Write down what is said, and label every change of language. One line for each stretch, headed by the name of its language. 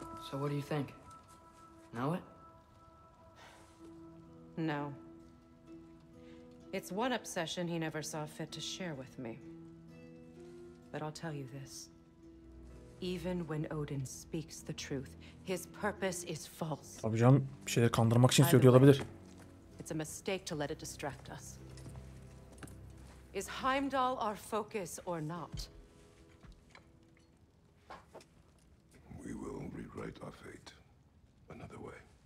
English: So what do you think? Know it? No. It's one obsession he never saw fit to share with me. But I'll tell you this. Even when Odin speaks the truth, his purpose is false.
Turkish: Tabii canım, bir şeyler kandırmak için söylüyor olabilir.
English: It's a mistake to let it distract us. Is Heimdall our focus or not? We will rewrite our fate another way.